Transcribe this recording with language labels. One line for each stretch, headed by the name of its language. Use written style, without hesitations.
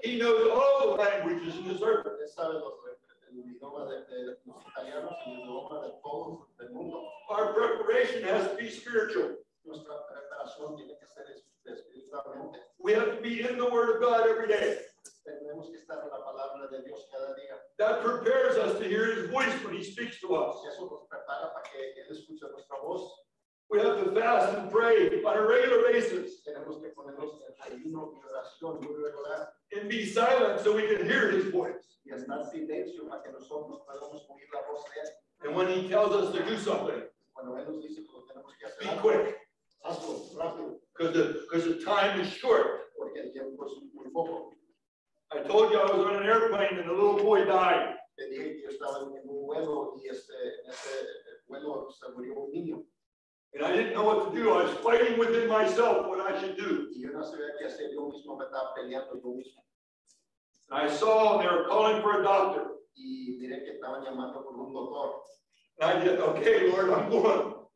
English: He knows all the languages in the service.
Spanish: Él sabe los idiomas de los italianos y el idioma de todos del mundo.
English: Our preparation has to be spiritual.
Spanish: Nuestra preparación tiene que ser espiritualmente.
English: We have to be in the Word of God every day.
Spanish: Tenemos que estar en la palabra de Dios cada día.
English: That prepares us to hear His voice when He speaks to us.
Spanish: Eso nos prepara para que Él escuche nuestra voz.
English: We have to fast and pray on a regular basis.
Spanish: Tenemos que ponernos en ayuno y oración muy regular.
English: And be silent so we can hear his voice.
Spanish: Y estar silencio para que nosotros podamos oír la voz de él.
English: And when he tells us to do something,
Spanish: cuando él nos dice que lo tenemos que hacer,
English: be quick.
Spanish: Hazlo rápido.
English: Because the time is short.
Spanish: Porque el tiempo es muy poco.
English: I told you I was on an airplane and a little boy died.
Spanish: Te dije que yo estaba en un vuelo y ese vuelo se murió un niño.
English: And I didn't know what to do. I was fighting within myself what I should do. And I saw they were calling for a doctor. And I said, okay, Lord, I'm going.